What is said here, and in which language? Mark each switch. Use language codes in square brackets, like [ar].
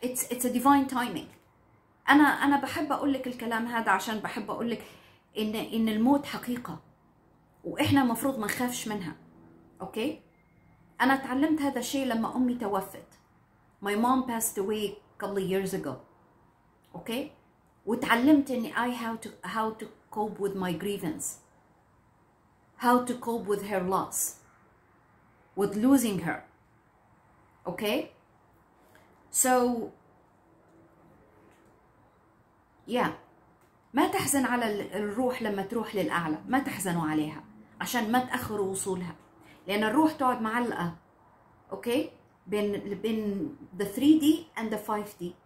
[en] it's a divine timing. [ar] انا بحب اقول لك الكلام هذا عشان بحب اقول لك ان الموت حقيقه واحنا مفروض ما نخافش منها. اوكي, انا تعلمت هذا الشيء لما امي توفت. [en] my mom passed away a couple of years ago. Okay, [ar] وتعلمت اني [en] I how to cope with my grievance, how to cope with her loss, with losing her. [ar] اوكي, so yeah, ما تحزن على الروح لما تروح للأعلى. ما تحزنوا عليها عشان ما تأخروا وصولها, لأن الروح تقعد معلقة. [en] okay, [ar] بين [en] the 3D and the 5D.